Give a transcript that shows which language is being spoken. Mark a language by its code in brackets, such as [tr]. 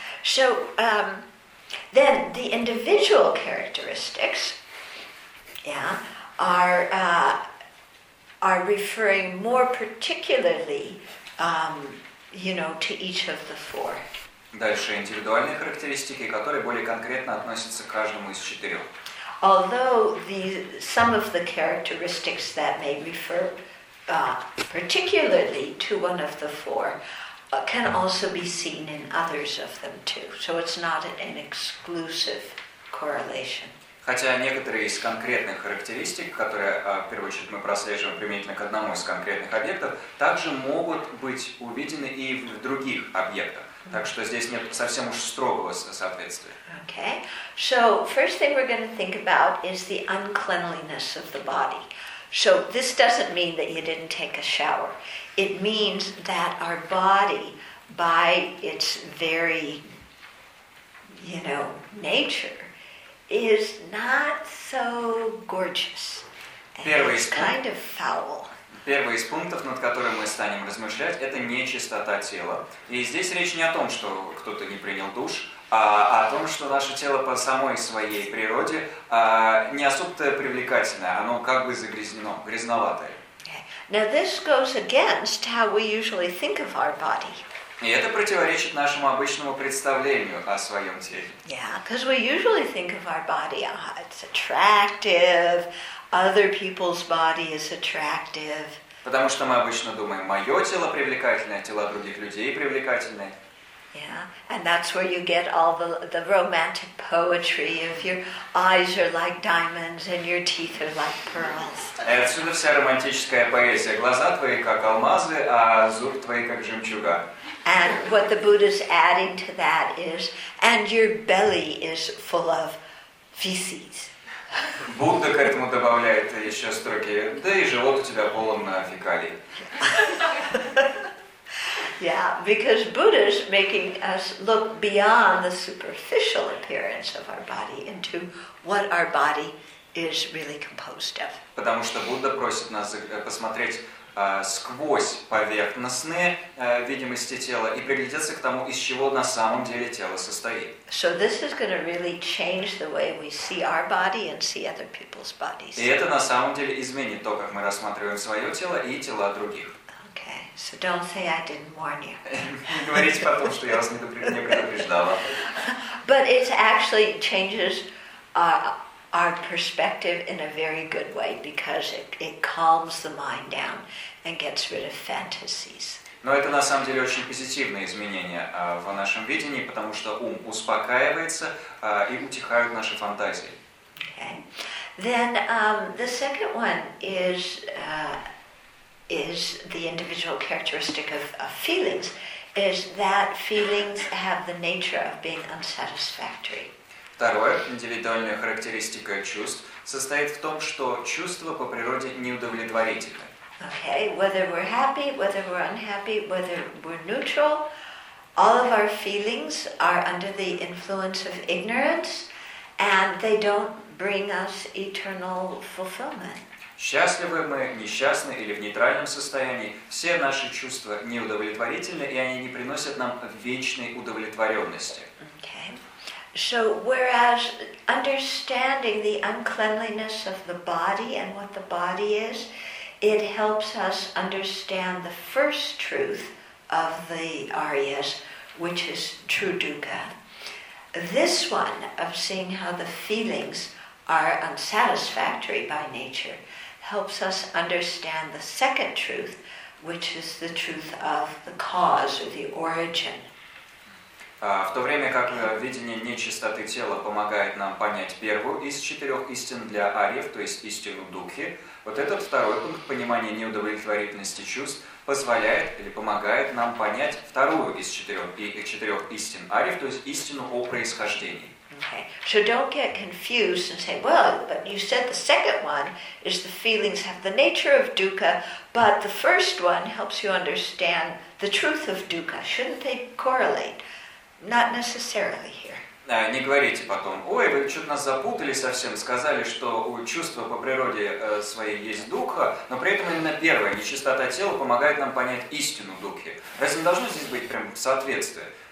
[en] So, then the individual characteristics, yeah, are referring more particularly, you know, to each of the four. [ru] Дальше индивидуальные характеристики, которые более конкретно относятся к каждому из четырех. [en] Although some of the characteristics that may refer particularly to one of the four can also be seen in others of them too. So it's not an exclusive correlation. [ru] Хотя некоторые из конкретных характеристик, которые, в первую очередь, мы прослеживаем применительно к одному из конкретных объектов, также могут быть увидены и в других объектах. Так что здесь нет совсем уж строгого соответствия. [en] Okay. So, first thing we're going to think about is the uncleanliness of the body. So, this doesn't mean that you didn't take a shower. It means that our body, by its very, you know, nature, is not so gorgeous. It's kind of foul. [ru] Первый из пунктов, над которым мы станем размышлять, это нечистота тела. И здесь речь не о том, что кто-то не принял душ, а о том, что наше тело по самой своей природе не особо-то привлекательное, оно как бы загрязнено, грязноватое. [en] Now this goes against how we usually think of our body. [ru] И это противоречит нашему обычному представлению о своем теле. [en] Yeah, because we usually think of our body, it's attractive, other people's body is attractive. [ru] Потому что мы обычно думаем, мое тело привлекательное, тела других людей привлекательные. [en] Yeah, and that's where you get all the romantic poetry. If your eyes are like diamonds and your teeth are like pearls. [ru] Отсюда вся романтическая поэзия. Глаза твои как алмазы, а зубы твои как жемчуга. [en] And what the Buddha's adding to that is, and your belly is full of feces. [ru] Будда к этому добавляет еще строки. Да и живот у тебя полон фекалий. [en] Yeah, because Buddha's making us look beyond the superficial appearance of our body into what our body is really composed of. [ru] Потому что Будда просит нас посмотреть сквозь поверхностные видимости тела и приглядеться к тому, из чего на самом деле тело состоит. [en] So this is going to really change the way we see our body and see other people's bodies. [ru] И это на самом деле изменит то, как мы рассматриваем свое тело и тела других. [en] So don't say I didn't warn you. [ru] Говорить потом, что я вас не предупреждала. [en] But it actually changes our perspective in a very good way because it calms the mind down and gets rid of fantasies. [ru] Но это на самом деле очень позитивное изменение в нашем видении, потому что ум успокаивается и утихают наши фантазии. [en] Okay. Then the second one is. Is the individual characteristic of feelings is that feelings have the nature of being unsatisfactory. [ru] Второе, индивидуальная характеристика чувств состоит в том, что чувства по природе неудовлетворительны. [en] Okay, whether we're happy, whether we're unhappy, whether we're neutral, all of our feelings are under the influence of ignorance and they don't bring us eternal fulfillment. [ru] Счастливы мы, несчастны или в нейтральном состоянии, все наши чувства неудовлетворительны, и они не приносят нам вечной удовлетворенности. [en] Okay. So, whereas understanding the uncleanliness of the body and what the body is, it helps us understand the first truth of the Aryas, which is true dukkha. This one of seeing how the feelings are unsatisfactory by nature, helps us understand the second truth, which is the truth of the cause or the origin. [ru] В то время как видение нечистоты тела помогает нам понять первую из четырех истин для ариев, то есть истину дукхи, вот этот второй пункт понимания неудовлетворительности чувств позволяет или помогает нам понять вторую из четырех истин ариев, то есть истину о происхождении. [en] Okay, so don't get confused and say, well, but you said the second one is the feelings have the nature of dukkha, but the first one helps you understand the truth of dukkha. Shouldn't they correlate? Not necessarily here. [ru] Не говорите потом, ой, вы что-то нас запутали совсем, сказали, что у чувства по природе своей есть дукха, но при этом именно первое, нечистота тела, помогает нам понять истину дукхи. Разве не должно здесь быть прям соответствие?